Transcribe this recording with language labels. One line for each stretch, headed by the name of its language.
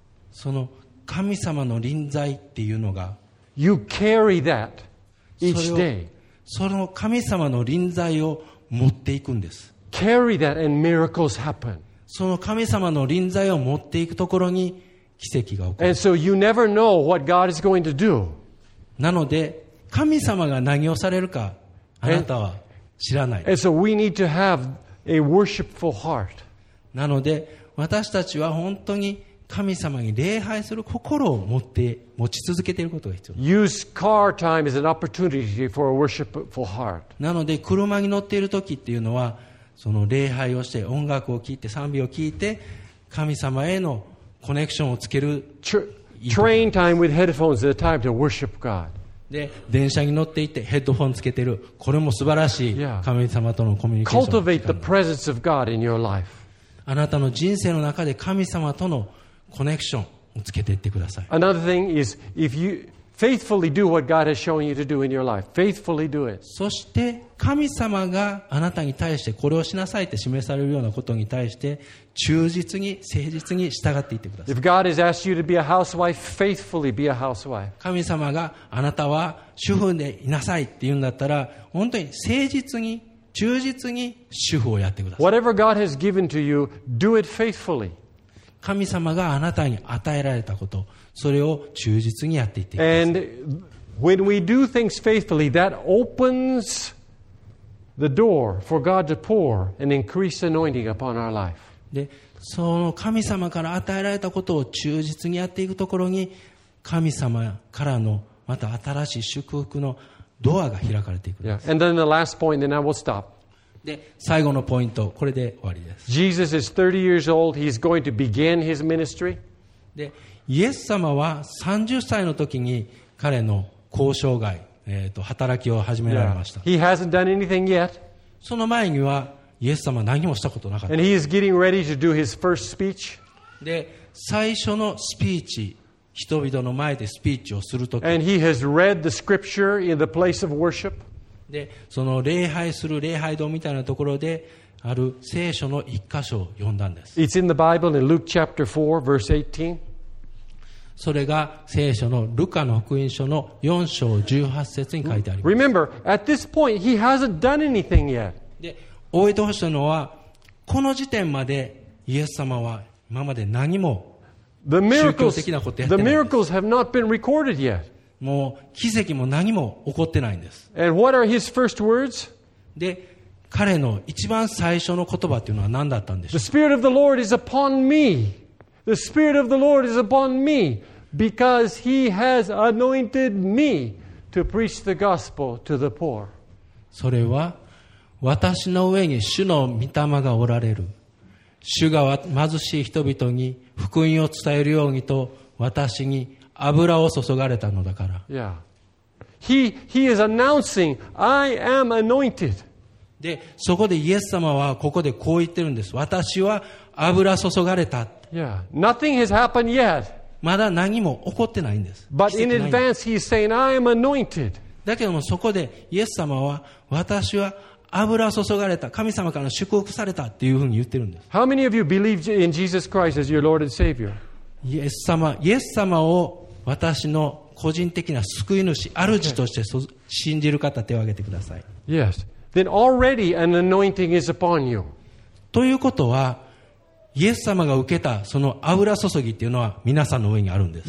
Japanese: その神様の臨在っていうのが、
English: You carry that each day.
Japanese: その神様の臨在を持っていくんです。
English: Carry that and miracles happen.
Japanese: その神様の臨在を持っていくところに奇跡が起こる。
English: And so you never know what God is going to do.
Japanese: なので神様が何をされるかあなたは知らない。
English: And so we need to have a worshipful heart.
Japanese: なので私たちは本当に神様に礼拝する心を持ち続けていることが必要です。
English: Use car time is an opportunity for a worshipful heart.
Japanese: なので車に乗っている時っていうのはその礼拝をして音楽を聴いて賛美を聴いて神様へのコネクションをつける。
English: Train time with headphones is a time to worship God.
Japanese: で電車に乗っていてヘッドフォンつけてる、これも素晴らしい神様とのコミュニケーション。
English: Cultivate the presence of God in your life.
Japanese: あなたの人生の中で神様とのコネクションをつけていってください。
English: Another thing is if you faithfully do what God has shown you to do in your life, faithfully do it.
Japanese: そして神様があなたに対してこれをしなさいって示されるようなことに対して忠実に誠実に従っていってください。
English: If God has asked you to be a housewife, faithfully be a housewife.
Japanese: 神様があなたは主婦でいなさいって言うんだったら本当に誠実に忠実に主婦をやってください。
English: Whatever God has given to you, do it faithfully.
Japanese: 神様があなたに与えられたこと、それを忠実にやっていってください。
English: And when we do things faithfully, that opens the door for God to pour an increased anointing upon our life.
Japanese: で、その神様から与えられたことを忠実にやっていくところに、神様からのまた新しい祝福のドアが開かれていくんです。
English: Yeah. And then the last point, then I will stop.
Japanese: で、最後のポイント、これで終わりです。
English: Jesus is 30 years old. He's going to begin his ministry.
Japanese: で、イエス様は30歳の時に彼の交渉外、働きを始められました。
English: Yeah. He hasn't done anything yet.
Japanese: その前にはイエス様は何もしたことなかった。
English: And he is getting ready to do his first speech.
Japanese: で、最初のスピーチ。人々の前でスピーチをするとき、
English: And he has read the scripture in the place of worship.
Japanese: で、その礼拝する礼拝堂みたいなところである聖書の一箇所を読んだんです。
English: It's in the Bible in Luke chapter 4, verse 18.
Japanese: それが聖書のルカの福音書の4章18節に書いてあります。
English: Remember, at this point, he hasn't done anything yet.
Japanese: で、覚えてほしいのは、この時点までイエス様は今まで何も
English: The miracles have not been recorded yet.
Japanese: もう奇跡も何も起こってないんです。
English: And what are his first words?
Japanese: で、彼の一番最初の言葉というのは何だったんでしょう。
English: The Spirit of the Lord is upon me. The Spirit of the Lord is upon me because he has anointed me to preach the gospel to the poor.
Japanese: それは私の上に主の御霊がおられる。主が貧しい人々に福音を伝えるようにと私に油を注がれたのだから。
English: Yeah. He is announcing, I am anointed.
Japanese: で、そこでイエス様はここでこう言ってるんです。私は油注がれた。
English: Yeah. Nothing has happened yet.
Japanese: まだ何も起こってないんです。
English: But in advance, he's saying, I am anointed.
Japanese: だけどもそこでイエス様は私は油注がれた、神様から祝福されたっていうふうに言ってるんです。
English: How many of you believe in Jesus Christ as your Lord and Savior?
Japanese: イエス様を私の個人的な救い主、主として信じる方、手を挙げてください。
English: Yes. Then already an anointing is upon you.
Japanese: ということは、イエス様が受けたその油注ぎっていうのは皆さんの上にあるんです。